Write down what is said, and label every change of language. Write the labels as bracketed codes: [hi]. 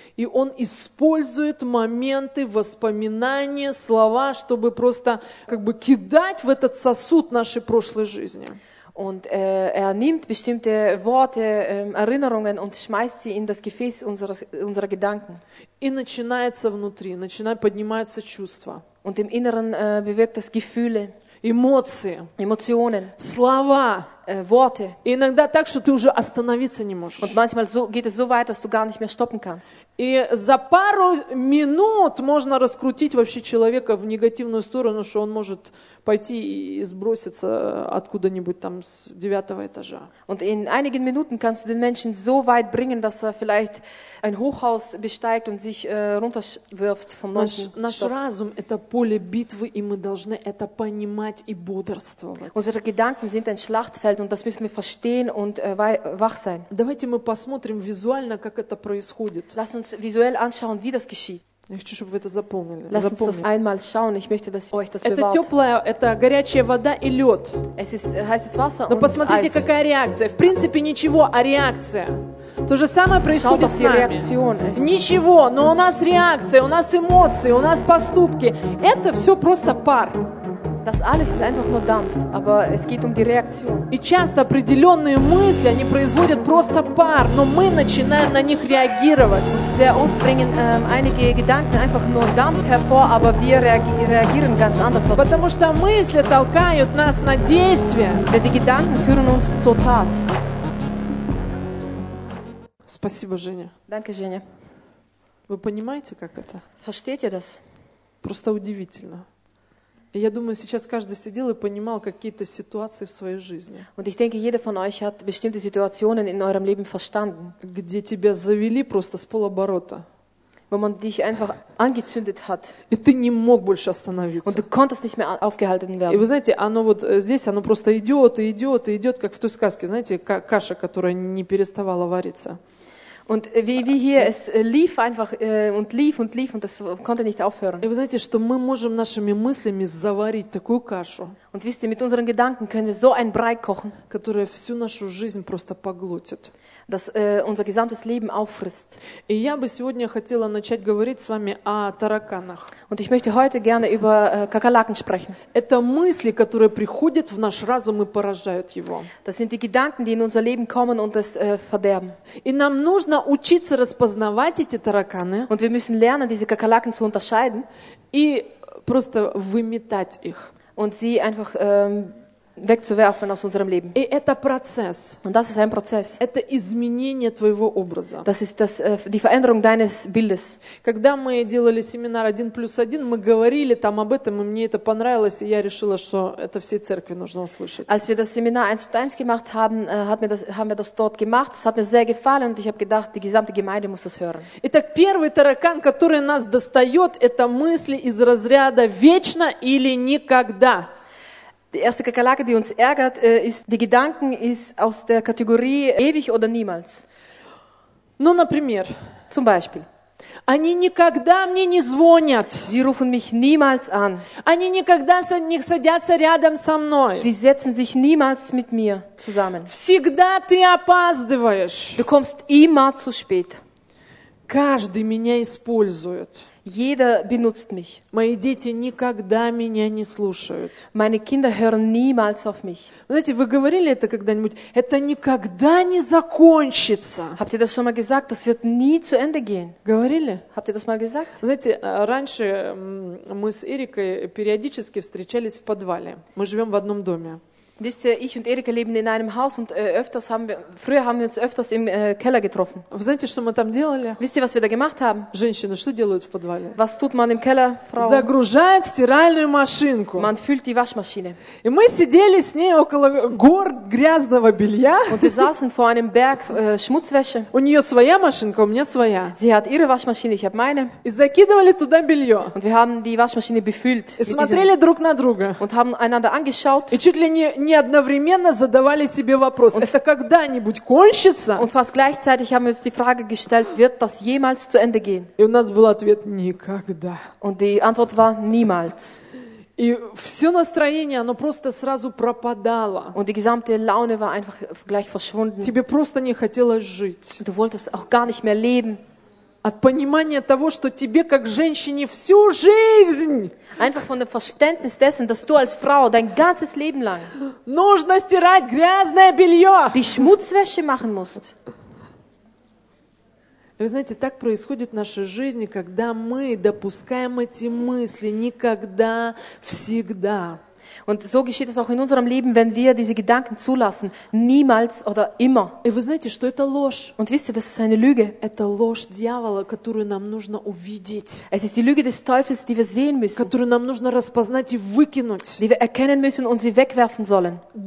[ru] И он использует моменты, воспоминания, слова, чтобы просто как бы кидать в этот сосуд нашей прошлой жизни. [de] Und er nimmt bestimmte Worte, Erinnerungen und schmeißt sie in das Gefäß unserer Gedanken. [ru] И начинается внутри, поднимаются чувства. [de] Und im Inneren bewirkt das Gefühle. [ru] Эмоции. [de] Эмоционен. [ru] Слова. [de] Worte. [ru] Иногда так, что ты уже остановиться не можешь. [de] Und manchmal so, geht es so weit, dass du gar nicht mehr stoppen kannst. [ru] И за пару минут можно раскрутить вообще человека в негативную сторону, что он может пойти и сброситься откуда-нибудь там с 9-го этажа. [de] Und in einigen Minuten kannst du den Menschen so weit bringen, dass er vielleicht ein Hochhaus besteigt und sich runterwirft vom 9-ten Stock. [ru] Наш разум – это поле битвы, и мы должны это понимать и бодрствовать. [de] Unsere Gedanken sind ein Schlachtfeld und das müssen wir verstehen und wach sein. [ru] Давайте мы посмотрим визуально, как это происходит. [de] Lass uns visuell anschauen, wie das geschieht. [ru] Я хочу, чтобы вы это запомнили. [de] Lass uns das einmal schauen. Ich möchte, dass euch das bewahrt. [ru] Это теплая, это горячая вода и лед. [de] Es ist heißes Wasser und Eis. [ru] Но посмотрите, какая реакция. В принципе, ничего, а реакция. То же самое происходит с нами. Ничего, но у нас реакция, у нас эмоции, у нас поступки. Это все просто пар. [de] Das alles ist einfach nur Dampf, aber es geht um die Reaktion. [ru] И часто определенные мысли, они производят просто пар, но мы начинаем на них реагировать. [de] Sehr oft bringen einige Gedanken einfach nur Dampf hervor, aber wir reagieren ganz anders. [ru] Потому что мысли толкают нас на действие. [de] Denn die Gedanken führen uns zur Tat. [ru] Спасибо, Женя. [de] Danke, Женя. [ru] Вы понимаете, как это? [de] Versteht ihr das? [ru] Просто удивительно. Я думаю, сейчас каждый сидел и понимал какие-то ситуации в своей жизни. [de] Und ich denke, jeder von euch hat bestimmte Situationen in eurem Leben verstanden. [ru] Где тебя завели просто с полоборота. [de] Wo man dich einfach angezündet hat. [ru] И ты не мог больше остановиться. [de] Und du konntest nicht mehr aufgehalten werden. [ru] И вы знаете, оно вот здесь, оно просто идет и идет и идет, как в той сказке, знаете, каша, которая не переставала вариться. [de] Und wie hier, es lief einfach und lief und lief und das konnte nicht aufhören. [ru] И вы знаете, что мы можем нашими мыслями заварить такую кашу. [de] Und wisst ihr, mit unseren Gedanken können wir so einen Brei kochen. [ru] Которая всю нашу жизнь просто поглотит. [de] Das unser gesamtes Leben auffrisst. [ru] И я бы сегодня хотела начать говорить с вами о тараканах. [de] Und ich möchte heute gerne über Kakerlaken sprechen. [ru] Это мысли, которые приходят в наш разум и поражают его. [de] Das sind die Gedanken, die in unser Leben kommen und es verderben. [ru] И нам нужно учиться распознавать эти тараканы. [de] Und wir müssen lernen, diese Kakerlaken zu unterscheiden. [ru] И просто выметать их. [de] Und sie einfach wegzuwerfen aus unserem Leben. [ru] И это процесс. [de] Und das ist ein Prozess. [ru] Это изменение твоего образа. [de] Das ist das, die Veränderung deines Bildes. [ru] Когда мы делали семинар 1+1, мы говорили там об этом, и мне это понравилось, и я решила, что это всей церкви нужно услышать. [de] Als wir das Seminar 1+1 gemacht haben, haben wir das dort gemacht. Es hat mir sehr gefallen, und ich habe gedacht, die gesamte Gemeinde muss das hören. [ru] Итак, первый таракан, который нас достает, это мысли из разряда «вечно или никогда». [de] Die erste Kakerlake, die uns ärgert, ist die Gedanken ist aus der Kategorie ewig oder niemals. [ru] Ну, например. [de] Zum Beispiel. [ru] Они никогда мне не звонят. [de] Sie rufen mich niemals an. [ru] Они никогда не садятся рядом со мной. [de] Sie setzen sich niemals mit mir zusammen. [ru] Всегда ты опаздываешь. [de] Du kommst immer zu spät. [ru] Каждый меня использует. [de] Jeder benutzt mich. [ru] Мои дети никогда меня не слушают. [de] Meine Kinder hören niemals auf mich. [ru] Знаете, вы говорили это когда-нибудь? Это никогда не закончится. [de] Habt ihr das schon mal gesagt? Das wird nie zu Ende gehen. [ru] Говорили? [de] Habt ihr das mal gesagt? [ru] Знаете, раньше мы с Эрикой периодически встречались в подвале. Мы живем в одном доме. [de] Wisst ihr, ich und Erika leben in einem Haus und öfters haben wir, früher haben wir uns öfters im Keller getroffen. [ru] Знаете, что мы там делали? [de] Wisst ihr, was wir da gemacht haben? [ru] Женщины, что делают в подвале? [de] Was tut man im Keller, Frauen? [ru] Загружают стиральную машинку. [de] Man füllt die Waschmaschine. [ru] И мы сидели с ней около гор грязного белья. [de] Und wir saßen vor einem Berg Schmutzwäsche. [ru] У нее своя машинка, у меня своя. [de] Sie hat ihre Waschmaschine, ich habe meine. [ru] И закидывали туда белье. [de] Und wir haben die Waschmaschine befüllt. [ru] И смотрели друг на друга. [de] Und haben einander angeschaut. [ru] И чуть ли не одновременно задавали себе вопрос, [de] und, [ru] это когда-нибудь кончится? [de] Und fast gleichzeitig haben wir uns die Frage gestellt, wird das jemals zu Ende gehen? [ru] И у нас был ответ, никогда. [de] Und die Antwort war, niemals. [ru] И все настроение, оно просто сразу пропадало. [de] Und die gesamte Laune war einfach gleich verschwunden. [ru] Тебе просто не хотелось жить. [de] Du wolltest auch gar nicht mehr leben. [ru] От понимания того, что тебе как женщине всю жизнь... [de] Einfach von dem Verständnis dessen, dass du als Frau dein ganzes Leben lang [ru] нужно стирать грязное белье. [de] Die Schmutzwäsche machen musst. [ru] Вы знаете, так происходит в нашей жизни, когда мы допускаем эти мысли никогда, всегда. [de] Und so geschieht es auch in unserem Leben, wenn wir diese Gedanken zulassen. Niemals oder immer. Und wisst ihr, das ist eine Lüge. Es ist die Lüge des Teufels, die wir sehen müssen. Die wir erkennen müssen und sie wegwerfen sollen.